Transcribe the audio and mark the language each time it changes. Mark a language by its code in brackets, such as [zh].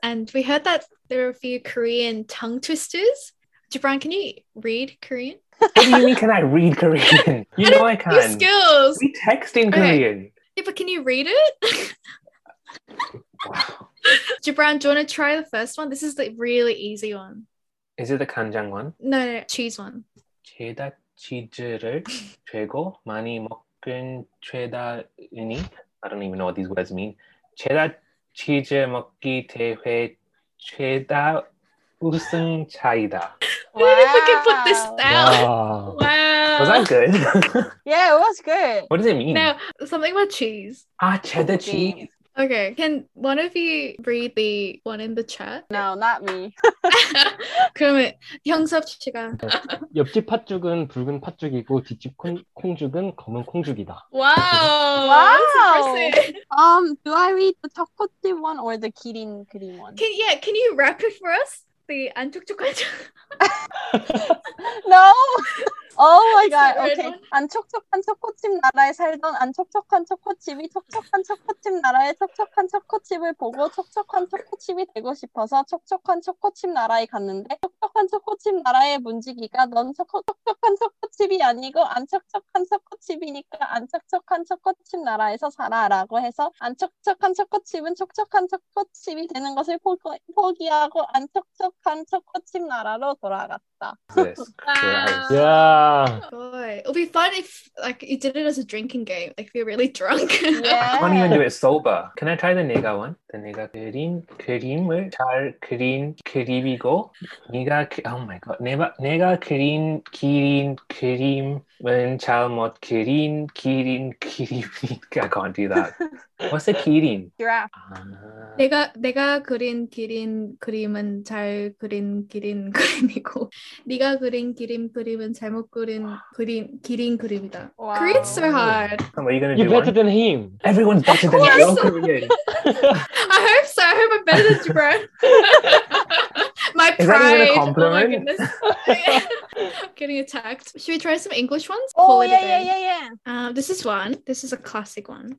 [en] And we heard that there are a few Korean tongue twisters. Jibran, can you read Korean? What do you mean, can I read Korean? You know I can. Your skills. We text in Korean. Yeah, but can you read it? Wow. Jibran, do you want to try the first one? This is the really easy one. Is it the kanjang one? No, no, no, cheese one. [ko] 제다 치즈를 최고 많이 먹 최다인이? [en] I don't even know what these words mean. 최다 치즈 먹기 대회 최다 우승차이다. Wow. If we can put this down. Wow. Was that good? Yeah, it was good. What does it mean? No, something about cheese. Ah, cheddar cheese. Okay, can one of you read the one in the chat? No, not me. [ko] 그러면 형섭 씨가 옆집 팥죽은 붉은 팥죽이고 뒷집 콩죽은 검은 콩죽이다. [en] Wow! Wow! Do I read the 떡꼬치 one or the 기린 그린 one? Can, yeah, can you wrap it for us? [ko] The 안 촉촉한 [en] No! Oh my god, okay. [ko] 안 촉촉한 초코칩 나라에 살던 안 촉촉한 초코칩이 촉촉한 초코칩 나라의 촉촉한 초코칩을 보고 촉촉한 초코칩이 되고 싶어서 촉촉한 초코칩 나라에 갔는데 촉촉한 초코칩 나라의 문지기가 넌 촉촉한 초코칩이 아니고 안 촉촉한 초코칩이니까 안 촉촉한 초코칩 나라에서 살아라고 해서 안 촉촉한 초코칩은 촉촉한 초코칩이 되는 것을 포기하고 안 촉촉한 초코칩 나라로 돌아갔다. [en] Yes. Yeah. Yeah. Boy, it'll be fun if like you did it as a drinking game, like if you're really drunk. Yeah. I can't even do it sober. Can I try the 네가 one? The [ko] 네가 그린 그림을 잘 그린 그림이고 네가 [en] oh my god [ko] 네가 네가 그린 기린 그림은 잘 못 그린 기린 그림이니까 [en] I can't do that. What's the 기린? Giraffe. [ko] 내가 그린 기린 그림은 잘 그린 기린 그림이고 네가 그린 기린 그림은 잘못 그린 그린 기린 그림이다. [en] Wow. Korean's so hard. Are you gonna do You're better one? Than him. Everyone's better than you. I hope so. I hope I'm better than you, bro. My Is pride. Is that even a compliment? Oh, getting attacked. Should we try some English ones? Oh, Call yeah, yeah, yeah, yeah. This is one. This is a classic one.